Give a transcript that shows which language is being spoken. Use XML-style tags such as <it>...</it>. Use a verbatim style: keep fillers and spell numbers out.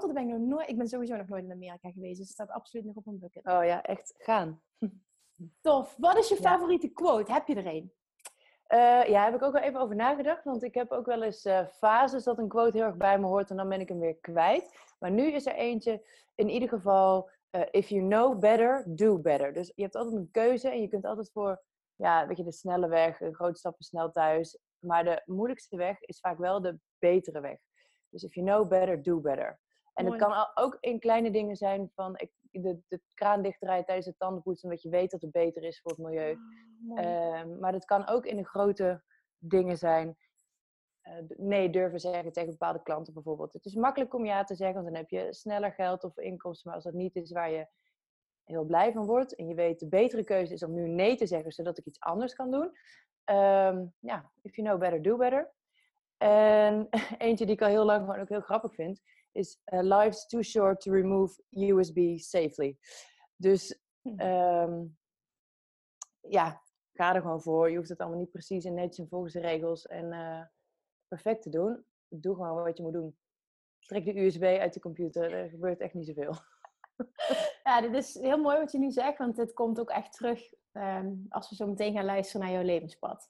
<nl>Want ben ik, nog nooit, ik ben sowieso nog nooit in Amerika geweest. Dus het staat absoluut nog op mijn bucket. Oh ja, echt gaan. Tof. Wat is je favoriete ja. quote? Heb je er een? Uh, ja, heb ik ook wel even over nagedacht. Want ik heb ook wel eens uh, fases dat een quote heel erg bij me hoort. En dan ben ik hem weer kwijt. Maar nu is er eentje in ieder geval...</nl> <en>Uh, if you know better, do better.</en> <nl>Dus je hebt altijd een keuze en je kunt altijd voor ja, weet je, de snelle weg, de grote stappen snel thuis. Maar de moeilijkste weg is vaak wel de betere weg.</nl> <en>Dus if you know better, do better.</en> <nl>En Mooi. Het kan ook in kleine dingen zijn van ik, de, de kraan dichtdraaien tijdens het tandenpoetsen, omdat je weet dat het beter is voor het milieu. Oh, uh, maar dat kan ook in de grote dingen zijn. Uh, nee durven zeggen tegen bepaalde klanten bijvoorbeeld. Het is makkelijk om ja te zeggen, want dan heb je sneller geld of inkomsten. Maar als dat niet is waar je heel blij van wordt... en je weet de betere keuze is om nu nee te zeggen... zodat ik iets anders kan doen.</nl> <en>Um, ja, if you know better, do better.</en> <nl>En eentje die ik al heel lang gewoon ook heel grappig vind...</nl> <en>is uh, life's too short to remove U S B safely.</en> <nl>Dus um, ja, ga er gewoon voor. Je hoeft het allemaal niet precies en netjes en volgens de regels... en uh, perfect te doen. Doe gewoon wat je moet doen. Trek de U S B uit de computer. Er gebeurt echt niet zoveel. Ja, dit is heel mooi wat je nu zegt. Want dit komt ook echt terug um, als we zo meteen gaan luisteren naar jouw levenspad.</nl>